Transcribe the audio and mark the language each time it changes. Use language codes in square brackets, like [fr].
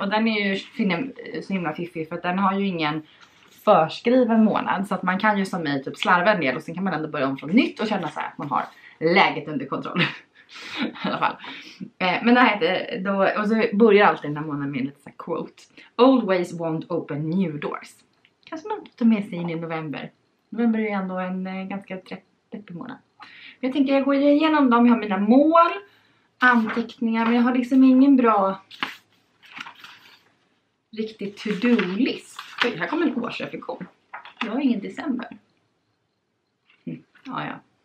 [sv] Och den är ju så himla fiffig. För att den har ju ingen förskriven månad. Så att man kan ju som mig typ slarva en del. Och sen kan man ändå börja om från nytt. Och känna så här att man har läget under kontroll. I alla fall. Men det här heter då. Och så börjar alltid den här månaden med en liten sån här quote. [en] Old ways won't open new doors. [sv] Kanske man tar med sig in i november. November är ju ändå en ganska deppig månad. Men jag tänker jag går igenom dem. Jag har mina mål. Anteckningar. Men jag har liksom ingen bra. Riktig to-do-list. Oj, här kommer en årsreflektion. Jag har ingen december. Ja, ja.